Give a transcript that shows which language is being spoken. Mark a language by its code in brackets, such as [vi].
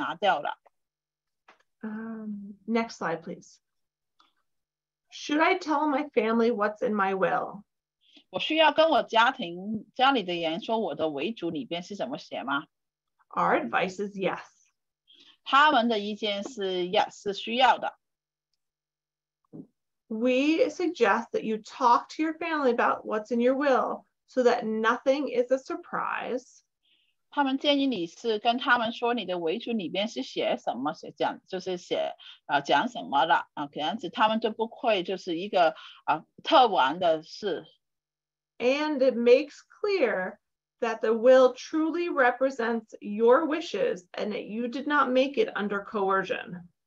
[zh] 然后还有最重要一点很惊讶的，就是说需要这个联名人的批准，才可以把他们拿掉，从这个账户里边拿掉了。Next [en] slide, please. Should I tell my family what's in my will? [zh] 我需要跟我家庭家里的人说我的遗嘱里边是怎么写吗？ [en] Our advice is yes. [zh] 他们的意见是yes，是需要的。 [en] We suggest that you talk to your family about what's in your will so that nothing is a surprise. [zh] 他们建议你是跟他们说你的遗嘱里边是写什么，是讲什么的，这样子他们就不会就是一个特完的事。 [en] And it makes clear that the will truly represents your wishes and that you did not make it under coercion.